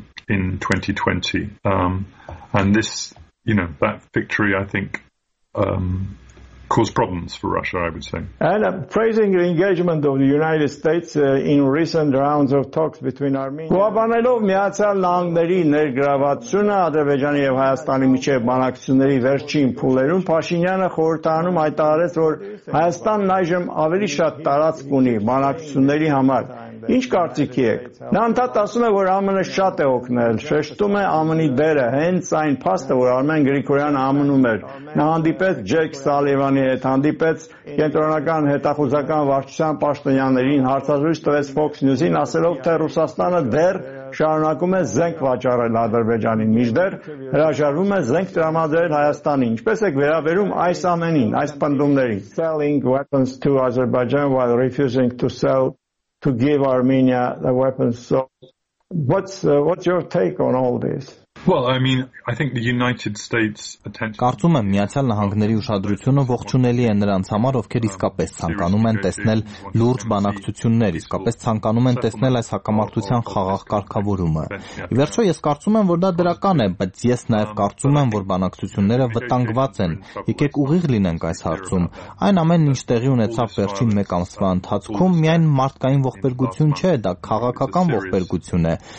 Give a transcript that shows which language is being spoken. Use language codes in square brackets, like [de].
[en] In 2020, and this, you know, that victory, I think, caused problems for Russia, I would say. And I'm praising the engagement of the United States in recent rounds of talks between Armenia. [hy] Գովանելով միացյալ նահանգների ներգրավվածությունը Ադրբեջանի և Հայաստանի միջև բանակցությունների վերջին փուլերում, Փաշինյանը խորհրդարանում հայտարարեց, որ Հայաստանն այժմ ավելի շատ տարածք ունի բանակցությունների համար. Ինչ կարծիքի եք? Նա ընդհանրապես ասում է, որ ԱՄՆ-ը շատ է օգնել, շեշտում է ԱՄՆ-ի դերը, հենց այն փաստը, որ Արմեն Գրիգորյանը ԱՄՆ-ում էր, նա հանդիպեց Ջեք Սալիվանի հետ, հանդիպեց կենտրոնական հետախուզական վարչության պաշտոնյաներին, հարցազրույց տվեց Fox News-ին, ասելով, թե Ռուսաստանը դեռ շարունակում է զենք վաճառել Ադրբեջանին, միջդեռ հրաժարվում է զենք տրամադրել Հայաստանի։ Ինչպես եք վերաբերում այս ամենին, այս պնդումներին? [en] Selling weapons to Azerbaijan while refusing to sell to give Armenia the weapons. So what's your take on all this? Well, I mean, I think the United States attention. [hy] Կարծում եմ, Միացյալ Նահանգների ուշադրությունը ողջունելի է նրանց համար, ովքեր իսկապես ցանկանում են տեսնել լուրջ բանակցություններ, իսկապես ցանկանում են տեսնել այս հակամարտության խաղաղ կարգավորումը։ Ի վերջո, ես կարծում եմ, որ դա դրական է, բայց ես նաև կարծում եմ, որ բանակցությունները վտանգված են։ Եկեք ուղիղ լինենք այս հարցում։ Այն ամենն, ինչ տեղի ունեցավ վերջին մեկ ամսվա ընթացքում, միայն մարդկային ողբերգություն չէ, դա քաղաքական ողբերգություն է,